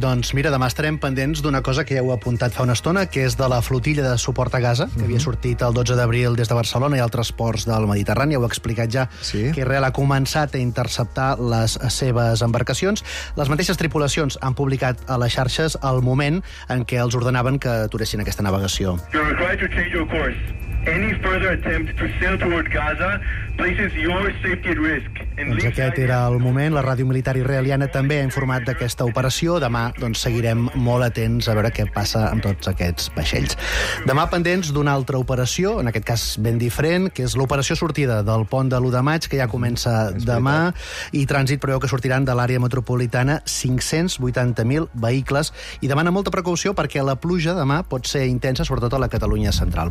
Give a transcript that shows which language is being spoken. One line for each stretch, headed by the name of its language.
Catalan: Doncs mira, demà estarem pendents d'una cosa que ja heu apuntat fa una estona, que és de la flotilla de suport a Gaza, que havia sortit el 12 d'abril des de Barcelona i altres ports del Mediterrani. Ja ho he explicat ja, que Israel ha començat a interceptar les seves embarcacions. Les mateixes tripulacions han publicat a les xarxes el moment en què els ordenaven que aturessin aquesta navegació.
English: You're required to change your course. Any further attempt to sail toward Gaza places your safety at risk.
Catalan: Doncs aquest era el moment. La ràdio militar israeliana també ha informat d'aquesta operació. Demà doncs seguirem molt atents a veure què passa amb tots aquests vaixells. Demà pendents d'una altra operació, en aquest cas ben diferent, que és l'operació sortida del pont de l'1 de maig, que ja comença demà, i trànsit preveu que sortiran de l'àrea metropolitana 580.000 vehicles, i demana molta precaució perquè la pluja demà pot ser intensa, sobretot a la Catalunya central.